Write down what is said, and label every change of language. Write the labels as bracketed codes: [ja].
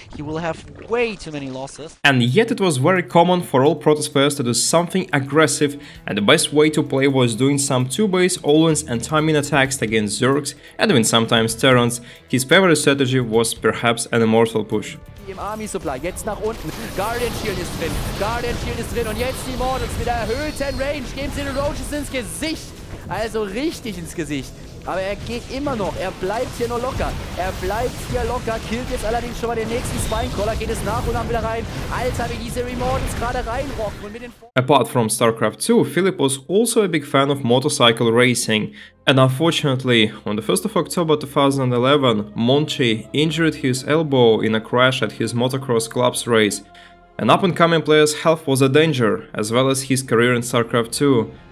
[en] He will have way too many losses. And yet it was very common for all Protoss players to do something aggressive, and the best way to play was doing some two base all-ins and timing attacks against zergs and even sometimes terrans. His favorite strategy was perhaps an immortal push. [de] Im Army Supply, jetzt nach unten. Guardian Shield ist drin. Guardian Shield ist drin. Und jetzt die Mortals mit erhöhten Range. Geben sie den Roaches ins Gesicht. Also richtig ins Gesicht. Aber er geht immer noch. Er bleibt hier nur locker. Er bleibt hier locker. Killt jetzt allerdings schon mal den nächsten Spinecrawler. Geht es nach und nach wieder rein. Alter, wie diese Remortals gerade reinrocken. Und mit den [en] Apart from StarCraft 2, Phillip was also a big fan of motorcycle racing. And unfortunately, on the 1st of October 2011, Monchi injured his elbow in a crash at his motocross club's race. An up-and-coming player's health was a danger, as well as his career in StarCraft 2.